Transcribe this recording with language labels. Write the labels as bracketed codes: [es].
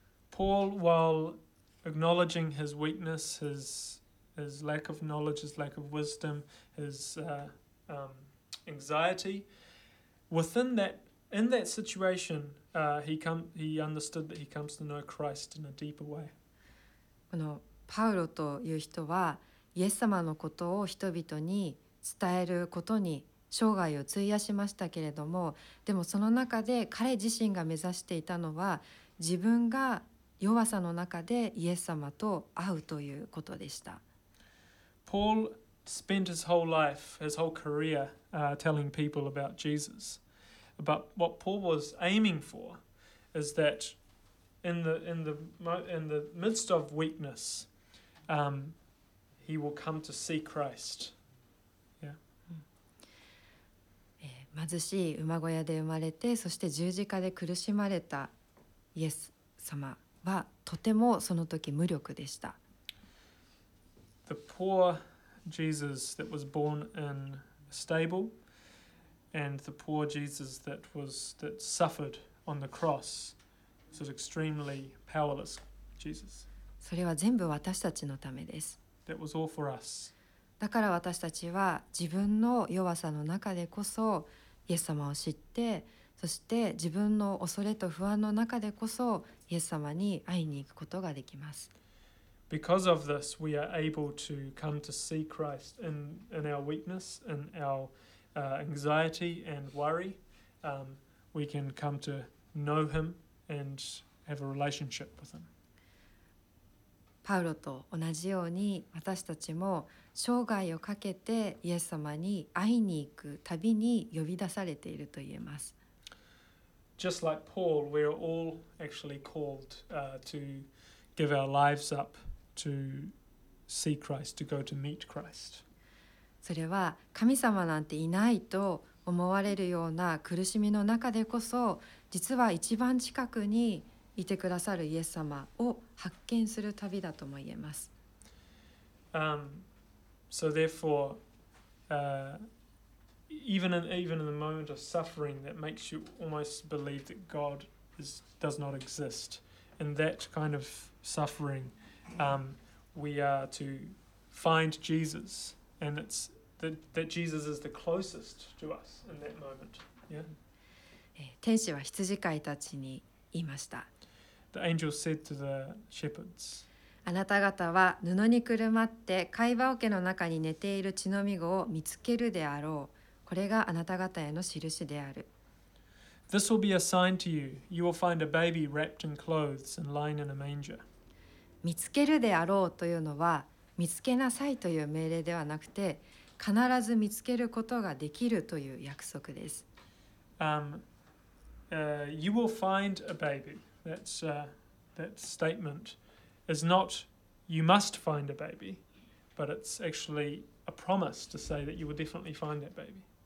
[en] Paul, while acknowledging his weakness, his lack of knowledge, his lack of wisdom, his anxiety, in that situation, he understood that he comes to know Christ in a deeper way. [ja] このパウロという人はイエス様のことを人々に伝えることに生涯を費やしましたけれども、でもその中で彼自身が目指していたのは自分が弱さの中でイエス様と会うということでした。 [en] Paul spent his whole life, his whole career, telling people about Jesus. But what Paul was aiming for is that in the midst of weakness, he will come to see Christ. [ja] 貧しい馬小屋で生まれて、そして十字架で苦しまれたイエス様はとてもその時無力でした。 [en] The poor Jesus that was born in a stable and the poor Jesus that suffered on the cross was an extremely powerless Jesus. [ja] それは全部私たちのためです。 [en] That was all for us. [ja] だから私たちは自分の弱さの中でこそイエス様を知って、そして自分の恐れと不安の中でこそイエス様に会いに行くことができます。 [en] Because of this, we are able to come to see Christ in our weakness, in our anxiety and worry. We can come to know Him and have a relationship with Him. [ja] パウロと同じように私たちも生涯をかけてイエス様に会いに行く旅に呼び出されていると言えます。 [en] Just like Paul, we are all actually called to give our lives up to see Christ, to go to meet Christ. [ja] それは神様なんていないと思われるような苦しみの中でこそ、実は一番近くにいてくださるイエス様を発見する旅だとも言えます。 [en] So therefore, even in the moment of suffering that makes you almost believe that God does not exist, in that kind of suffering, we are to find Jesus, and it's that Jesus is the closest to us in that moment. Yeah. [ja] 天使は羊飼いたちに言いました。 [en] The angel said to the shepherds, [ja] あなた方は布にくるまって貝羽桶の中に寝ている血のみ子を見つけるであろう。これがあなた方への印である。 [en] This will be a sign to you. You will find a baby wrapped in clothes and lying in a manger. [ja] 見つけるであろうというのは、見つけなさいという命令ではなくて、必ず見つけることができるという約束です。 [en] You will find a baby. That statement is not you must find a baby, but it's actually a promise to say that you will definitely find that baby.